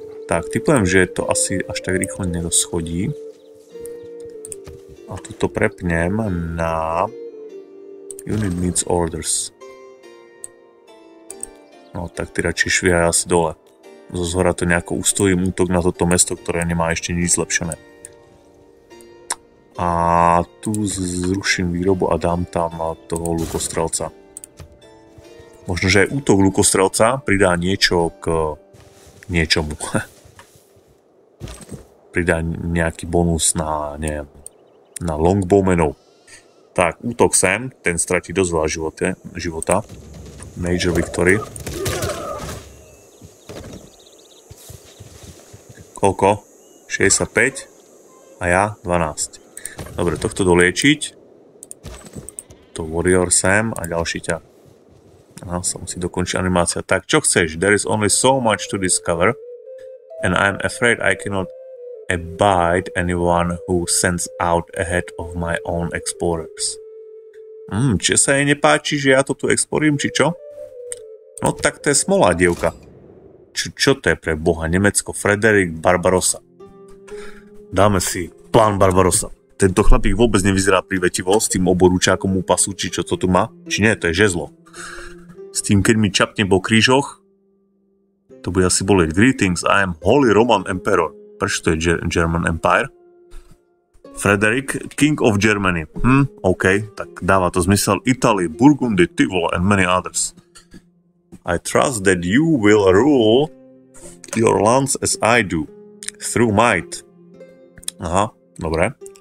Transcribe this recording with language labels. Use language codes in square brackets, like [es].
[sk] Tak, typujem, že to asi až tak rýchlo nedoschodí. A tuto prepnem na... [en] Unit needs orders. [sk] No, tak ty radšej švíhaj asi dole. Zo zhora to nejako ustojím útok na toto mesto, ktoré nemá ešte nič zlepšené. A tu zruším výrobu a dám tam toho lukostrelca. Možno, že aj útok lukostrelca pridá niečo k niečomu. Pridá nejaký bonus na, neviem, na longbowmenov. Tak, útok sem, ten stratí dosť veľa života. [en] Major victory. [sk] Koľko? 65. A ja? 12. Dobre, tohto doliečiť. To warrior sem a ďalší ťa. No, sa musí dokončiť animácia. Tak, čo chceš? [en] There is only so much to discover. And I am afraid I cannot abide anyone who sends out ahead of my own explorers. [sk] Či sa jej nepáči, že ja to tu explorím, či čo? No, tak to je smolá dievka. Čo to je pre boha? Nemecko, Frederik Barbarossa. Dáme si plán Barbarossa. Tento chlapík vôbec nevyzerá prívetivo s tým oborúčákom u pasu, či čo to tu má. Či nie, to je žezlo. S tým, keď mi čapne po krížoch, to bude asi bolieť. [en] Greetings, I am Holy Roman Emperor. [sk] Prečo to je German Empire? [en] Frederick, King of Germany. [sk] OK, tak dáva to zmysel. [en] Italy, Burgundy, Tivol and many others. I trust that you will rule your lands as I do. Through might. [sk] Aha, dobre.